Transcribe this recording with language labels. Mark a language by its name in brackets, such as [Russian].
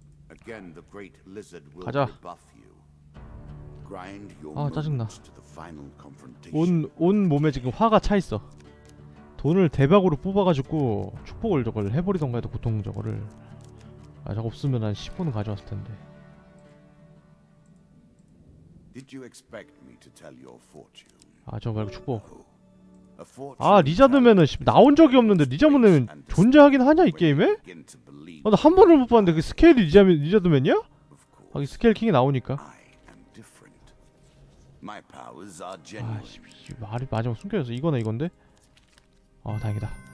[English] Again, the great lizard will rebuff you. Grind your moves. [Korean] 아, 짜증나. 온 몸에 지금 화가 차 있어. 돈을 대박으로 뽑아가지고 축복을 저걸 해버리던가 해도 보통 저거를. 아, 저거 없으면 한 10분은 가져왔을 텐데. [English] Did you expect me to tell your fortune? [Korean] 아, 저거 말고 축복. 아, 리자드맨은 나온 적이 없는데 리자드맨은 존재하긴 하냐 이 게임에? 아, 나 한 번을 못 봤는데 그 스케일이 리자드맨이야? 아, 이 스케일 킹이 나오니까. 아씨, 말이 마지막 숨겨져서 이거나 이건데? 아, 다행이다.